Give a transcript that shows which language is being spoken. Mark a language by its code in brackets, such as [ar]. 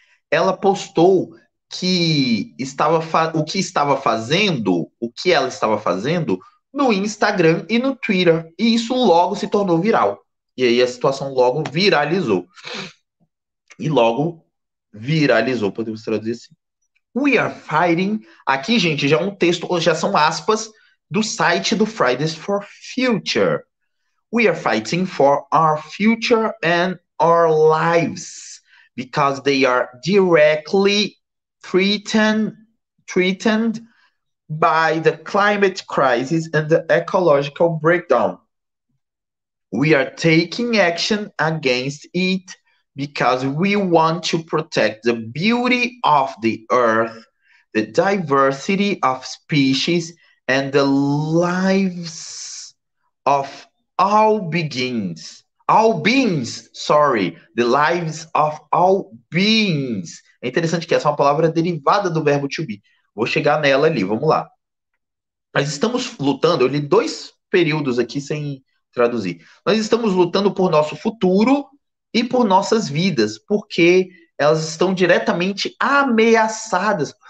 [pt] Ela postou que estava o que estava fazendo, o que ela estava fazendo no Instagram e no Twitter, e isso logo se tornou viral. E aí a situação logo viralizou. E logo viralizou, podemos traduzir assim. [en] We are fighting. [pt] Aqui, gente, já é um texto, já são aspas do site do Fridays for Future. [en] We are fighting for our future and our lives because they are directly threatened by the climate crisis and the ecological breakdown. We are taking action against it because we want to protect the beauty of the earth, the diversity of species, and the lives of all beings, the lives of all beings. [pt] É interessante que essa é uma palavra derivada do verbo to be. Vou chegar nela ali, vamos lá. Nós estamos lutando, eu li dois períodos aqui sem traduzir. Nós estamos lutando por nosso futuro e por nossas vidas, porque elas estão diretamente ameaçadas.